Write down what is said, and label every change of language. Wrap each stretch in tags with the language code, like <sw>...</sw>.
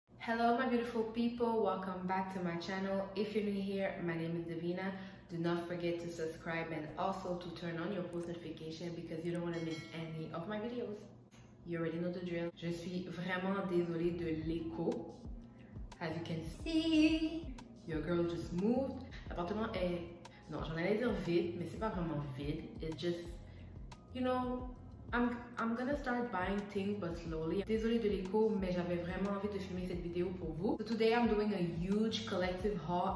<en>Hello, my beautiful people. Welcome back to my channel. If you're new here, my name is Davina. Do not forget to subscribe and also to turn on your post notification because you don't want to miss any of my videos. You already know the drill.</en> <fr>Je suis vraiment désolée de l'écho.</fr> <en>As you can see, your girl just moved.</en> <fr>L'appartement est... Non, j'en allais dire vide, mais c'est pas vraiment vide.</fr> <en>It's just, you know, I'm gonna start buying things, but slowly.</en> <fr>Désolée de l'écho, mais j'avais vraiment envie de filmer cette vidéo pour vous.</fr> <en>So today, I'm doing a huge collective haul.</en>